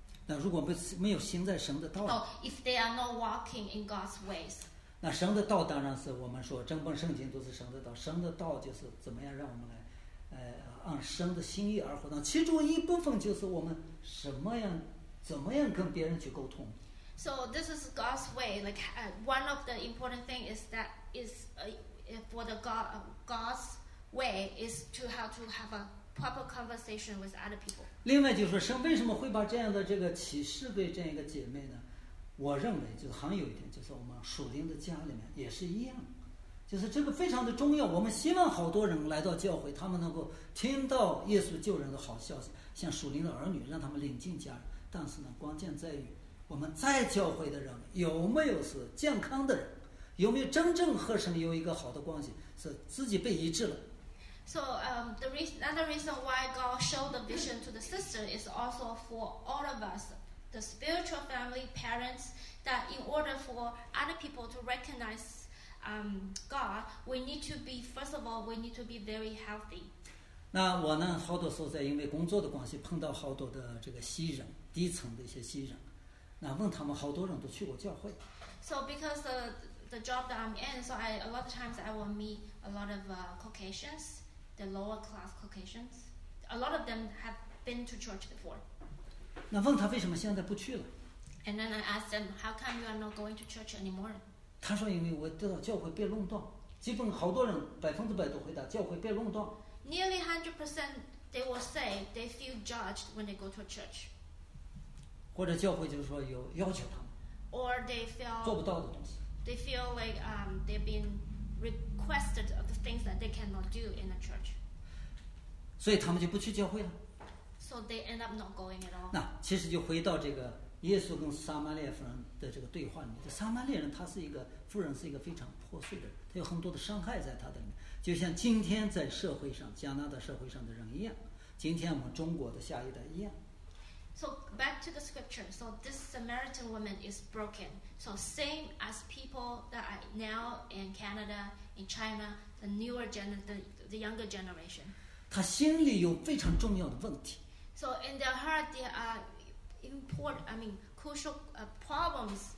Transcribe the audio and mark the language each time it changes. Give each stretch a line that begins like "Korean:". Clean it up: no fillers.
Chinese: 那如果没有行在神的道。
English: So if they are not walking in God's ways.
Chinese: 那神的道当然是我们说整本圣经都是神的道，神的道就是怎么样让我们来按神的心意而活动，其中一部分就是我们什么样怎么样跟别人去沟通。
English: So this is God's way, like one of the important thing is that is for the God's way is to how to have a proper conversation with other people.
Chinese: 另外就是神为什么会把这样的这个启示对这样一个姐妹呢，我认为就是还有一点，就是我们属灵的家里面也是一样，就是这个非常的重要。我们希望好多人来到教会，他们能够听到耶稣救人的好消息，像属灵的儿女，让他们领进家人。但是呢，关键在于我们在教会的人有没有是健康的人，有没有真正和神有一个好的关系，是自己被医治了。
English: So another reason why God showed the vision to the sister is also for all of us. The spiritual family, parents, that in order for other people to recognize God, we need to be, first of all, we need to be very healthy.
Chinese: 那我呢，好多时候在因为工作的关系碰到好多的这个西人，低层的一些西人，那问他们，好多人都去过教会。
English: So because the job that I'm in, so a lot of times I will meet a lot of Caucasians, the lower class Caucasians. A lot of them have been to church before.
Chinese: 那问他为什么现在不去了
English: ？And then I asked them, how come you are not going to church anymore?
Chinese: 他说因为我知道教会被垄断，基本好多人100%都回答教会被垄断。
English: Nearly 100% they will say they feel judged when they go to a church.
Chinese: 或者教会就是说有要求他们。
English: Or they feel
Chinese: 做不到的东西。
English: They feel like they've been requested of the things that they cannot do in a church.
Chinese: 所以他们就不去教会了。
English: So they end up not going at all.
Chinese: 那其实就回到这个耶稣跟撒玛利亚夫人的这个对话里面。这撒玛利亚人他是一个夫人，是一个非常破碎的人，他有很多的伤害在他的里面。就像今天在社会上，加拿大社会上的人一样，今天我们中国的下一代一样。
English: So back to the scripture. So this Samaritan woman is broken. So same as people that are now in Canada, in China, the younger generation.
Chinese: 他心里有非常重要的问题。
English: So in their heart, there are important, I mean, crucial problems.